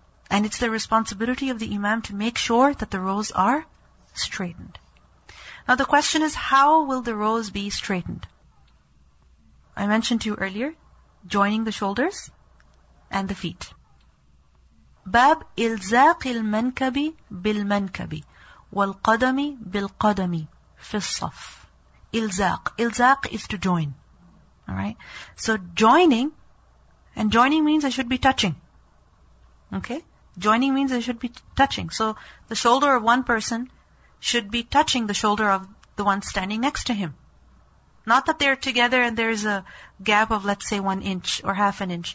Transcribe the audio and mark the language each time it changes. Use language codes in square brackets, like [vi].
[en] And it's the responsibility of the imam to make sure that the rows are straightened. Now the question is, how will the rows be straightened? I mentioned to you earlier, joining the shoulders and the feet. [ar] Bab إلزاق المنكب بالمنكب والقدم بالقدم في الصف. [en] إلزاق. إلزاق is to join. Alright? So joining, and joining means I should be touching. Okay? Joining means they should be touching. So the shoulder of one person should be touching the shoulder of the one standing next to him. Not that they're together and there's a gap of, let's say, 1 inch or half an inch.